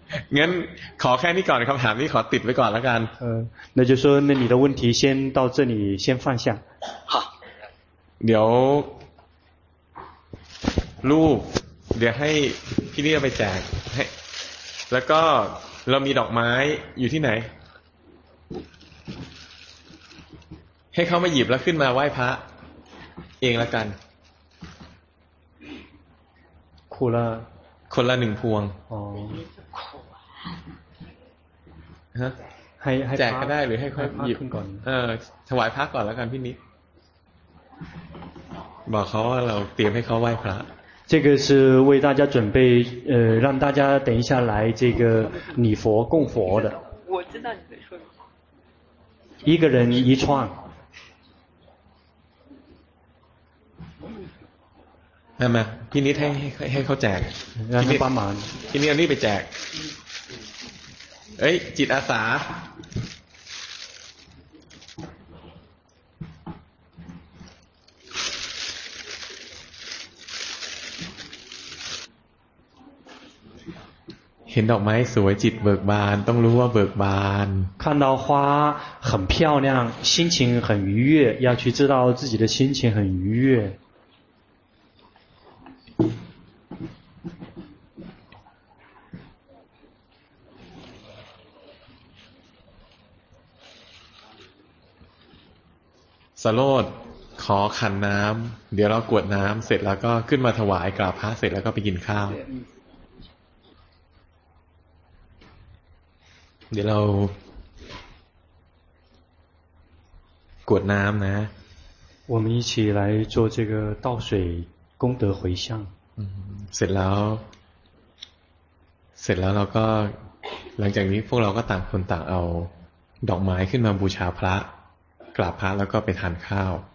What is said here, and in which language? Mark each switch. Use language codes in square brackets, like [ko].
[th] งั้นขอแค่นี้ก่อนคำถามนี้ขอติดไว้ก่อนแล้วกัน [zh] เออ那就说那你的问题先到这里先放下好 [th] เดี๋ยวลูกเดี๋ยวให้พี่เนี่ยไปแจกให้แล้วก็เรามีดอกไม้อยู่ที่ไหนให้เขามาหยิบแล้วขึ้นมาไหว้พระ เองละกัน คนละ คนละหนึ่งพวงฮะ ให้แจกก็ได้หรือให้ค่อยหยิบ ขึ้นก่อน เออถวายพระก่อนละกันพี่นิดบอกเขาว่าเราเตรียมให้เขาไหว้พระ [zh] 这个是为大家准备，让大家等一下来这个礼佛供佛的。我知道你在说什么。一个人一串。那么， [th] พี่นิดให้ให้ให้เขาแจก， [zh] 让他帮忙。 [th] พี่นิดเอานี่ไปแจก。 เอ้ย จิตอาสา。 เห็นดอกไม้สวยจิตเบิกบานต้องรู้ว่าเบิกบาน [zh] 看到花很漂亮心情很愉悦要去知道自己的心情很愉悦 [th] สโรดขอขันน้ำเดี๋ยวเรากวดน้ำเสร็จแล้วก็ขึ้นมาถวายกราบพระเสร็จแล้วก็ไปกินข้าวเดี๋ยวเรากวดน้ำนะ [zh] 我们一起来做这个倒水功德回向 [th] เสร็จแล้วเสร็จแล้วเราก็หลังจากนี้พวกเราก็ต่างคนต่างเอาดอกไม้ขึ้นมาบูชาพระกราบพระแล้วก็ไปทานข้าว